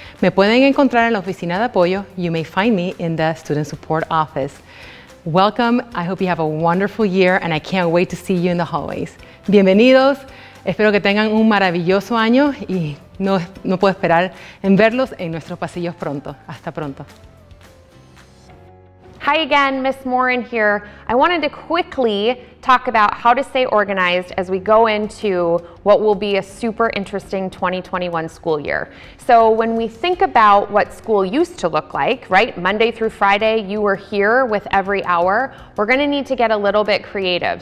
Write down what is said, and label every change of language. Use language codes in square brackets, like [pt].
[es] Me pueden encontrar en la oficina de apoyo. [en] You may find me in the Student Support Office. Welcome. I hope you have a wonderful year and I can't wait to see you in the hallways. [es] Bienvenidos. Espero que tengan un maravilloso año y no puedo esperar en verlos en nuestros pasillos pronto. Hasta pronto. [en] Hi again, Ms. Morin here. I wanted to quickly talk about how to stay organized as we go into what will be a super interesting 2021 school year. So when we think about what school used to look like, right? Monday through Friday, you were here with every hour. We're gonna need to get a little bit creative.